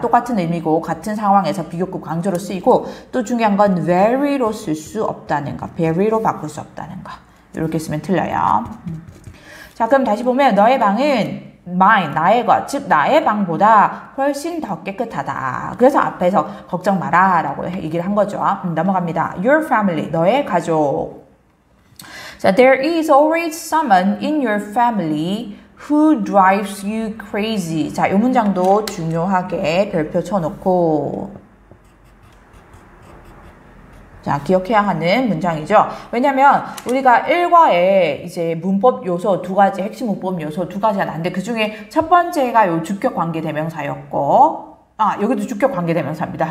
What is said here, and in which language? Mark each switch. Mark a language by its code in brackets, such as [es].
[ko] 똑같은 의미고 같은 상황에서 비교급 강조로 쓰이고 또 중요한 건 very로 쓸 수 없다는 거 very로 바꿀 수 없다는 거 이렇게 쓰면 틀려요. 자 그럼 다시 보면 너의 방은 mine, 나의 것, 즉 나의 방보다 훨씬 더 깨끗하다. 그래서 앞에서 걱정 마라 라고 얘기를 한 거죠. 넘어갑니다. [en] Your family, [ko] 너의 가족. [en] So, there is always someone in your family Who drives you crazy? [ko] 자, 이 문장도 중요하게 별표 쳐놓고 자, 기억해야 하는 문장이죠. 왜냐면 우리가 1과의 이제 문법 요소 두 가지, 핵심 문법 요소 두 가지가 나는데 그 중에 첫 번째가 요 주격 관계 대명사였고 아, 여기도 주격 관계 대명사입니다.